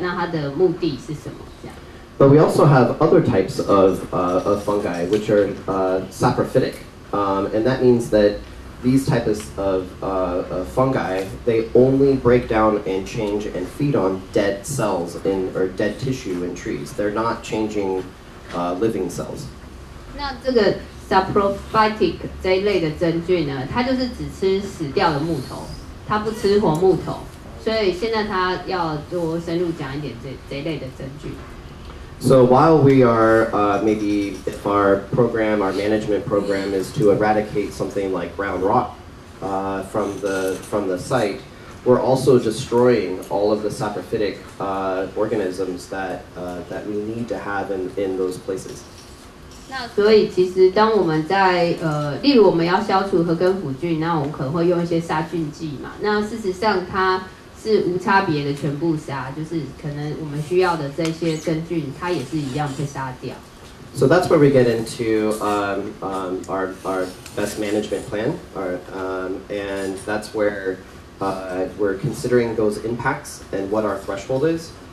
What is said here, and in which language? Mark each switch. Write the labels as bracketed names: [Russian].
[Chinese] 那它的目的是什么？这样。 [English] But we also have other types of fungi, which are saprophytic, and that means that these types of fungi, they only break down and change and feed on dead cells in or dead tissue in trees. They're not changing living cells. [Chinese] 那这个 saprophytic 这一类的真菌呢，它就是只吃死掉的木头，它不吃活木头，所以现在它要多深入讲一点这一类的真菌。 [English] So while we are, maybe if our program, our management program is to eradicate something like ground rot from the site, we're also destroying all of the saprophytic organisms that we need to have in those places. [Chinese] 那所以其实当我们在例如我们要消除核根腐菌，那我们可能会用一些杀菌剂嘛。那事实上它是无差别的全部杀，就是可能我们需要的这些真菌它也是一样被杀掉。 [English] So that's where we get into our best management plan, and that's where we're considering those impacts and what our threshold is.